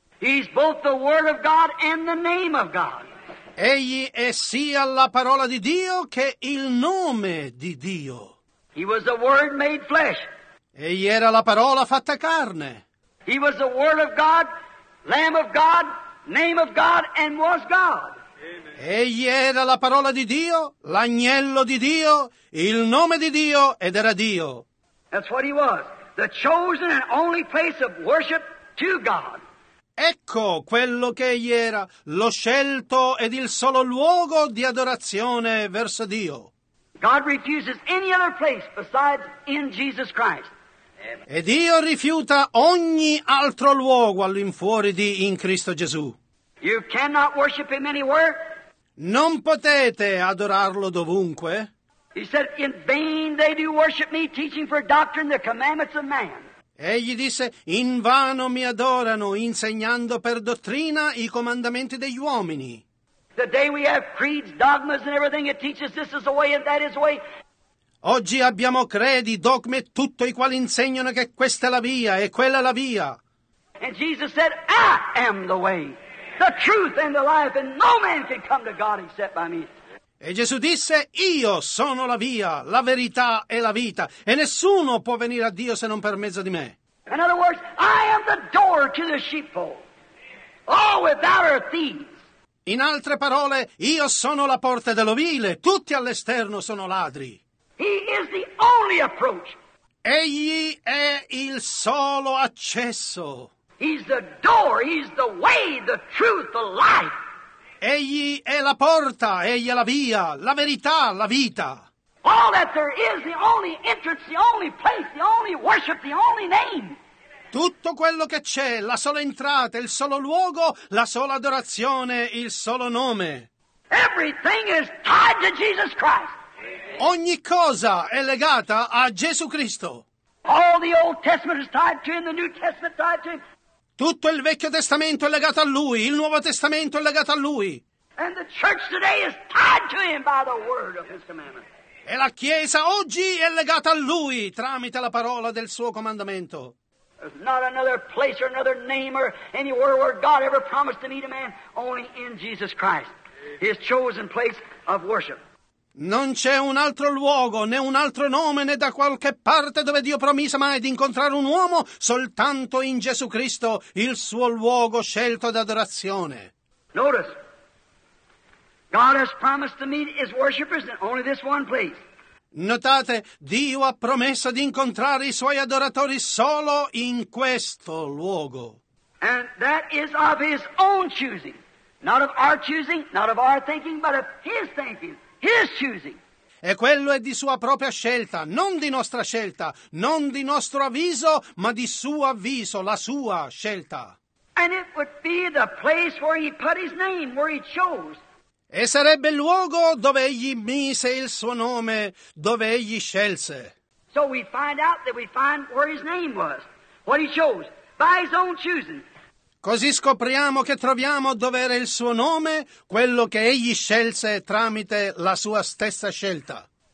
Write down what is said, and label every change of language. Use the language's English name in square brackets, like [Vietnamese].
[English] He's both the word of God and the name of God. [Italian] Egli è sia la parola di Dio che il nome di Dio. [English] He was the word made flesh. [Italian] Egli era la parola fatta carne. [English] He was the word of God, lamb of God, name of God and was God. [Italian] Egli era la parola di Dio, l'agnello di Dio, il nome di Dio ed era Dio. [English] That's what he was, the chosen and only place of worship to God. [Italian] Ecco quello che egli era, lo scelto ed il solo luogo di adorazione verso Dio. [English] God refuses any other place besides in Jesus Christ. [Italian] E Dio rifiuta ogni altro luogo all'infuori di in Cristo Gesù. [English] You cannot worship him anywhere. [Italian] Non potete adorarlo dovunque. [English] He said, "In vain they do worship me, teaching for doctrine the commandments of man." [Italian] Egli disse, "In vano mi adorano, insegnando per dottrina i comandamenti degli uomini." [English] The day we have creeds, dogmas, and everything, it teaches this is the way and that is the way. [Italian] Oggi abbiamo credi, dogme, tutto i quali insegnano che questa è la via e quella è la via. [English] And Jesus said, "I am the way, the truth and the life, and no man can come to God except by me." [Italian] E Gesù disse, "Io sono la via, la verità e la vita, e nessuno può venire a Dio se non per mezzo di me." [English] In other words, I am the door to the sheepfold. All without are thieves. [Italian] In altre parole, io sono la porta dell'ovile, tutti all'esterno sono ladri. [English] He is the only approach. [Italian] Egli è il solo accesso. [English] He's the door, he's the way, the truth, the life. [Italian] Egli è la porta, egli è la via, la verità, la vita. [English] All that there is, the only entrance, the only place, the only worship, the only name. [Italian] Tutto quello che c'è, la sola entrata, il solo luogo, la sola adorazione, il solo nome. [English] Everything is tied to Jesus Christ. [Italian] Ogni cosa è legata a Gesù Cristo. [English] All the Old Testament is tied to him, the New Testament is tied to him. [Italian] Tutto il Vecchio Testamento è legato a lui, il Nuovo Testamento è legato a lui. [English] And the church today is tied to him by the word of his commandment. [Italian] E la Chiesa oggi è legata a lui tramite la parola del suo comandamento. [English] Not another place or another name or anywhere where God ever promised to meet a man, only in Jesus Christ, his chosen place of worship. [Italian] Non c'è un altro luogo, né un altro nome, né da qualche parte dove Dio promise mai di incontrare un uomo, soltanto in Gesù Cristo, il suo luogo scelto d'adorazione. [English] Notice, God has promised to meet his worshipers in only this one place. [Italian] Notate, Dio ha promesso di incontrare i suoi adoratori solo in questo luogo. [English] And that is of his own choosing. Not of our choosing, not of our thinking, but of his thinking. His choosing. [Italian] E quello è di sua propria scelta, non di nostra scelta, non di nostro avviso, ma di suo avviso, la sua scelta. [English] And it would be the place where he put his name, where he chose. [Italian] E sarebbe il luogo dove egli mise il suo nome, dove egli scelse. [English] So we find out that we find where his name was, what he chose, by his own choosing. [Italian] Così scopriamo che troviamo dove era il suo nome, quello che egli scelse tramite la sua stessa scelta.